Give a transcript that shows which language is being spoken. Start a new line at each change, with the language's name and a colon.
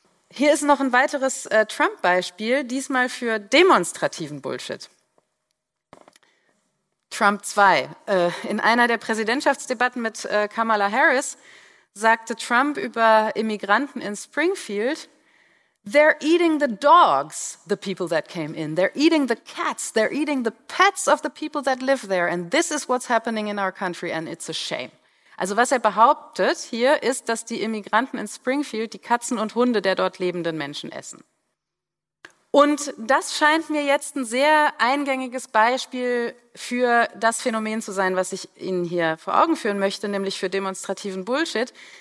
German: Hier ist noch ein weiteres Trump-Beispiel, diesmal für demonstrativen Bullshit. Trump 2. In einer der Präsidentschaftsdebatten mit Kamala Harris sagte Trump über Immigranten in Springfield:
English: They're eating the dogs, the people that came in. They're eating the cats. They're eating the pets of the people that live there. And this is what's happening in our country, and it's a shame.
German: Also was er behauptet hier ist, dass die Immigranten in Springfield die Katzen und Hunde der dort lebenden Menschen essen. Und das scheint mir jetzt ein sehr eingängiges Beispiel für das Phänomen zu sein, was ich Ihnen hier vor Augen führen möchte, nämlich für demonstrativen Bullshit.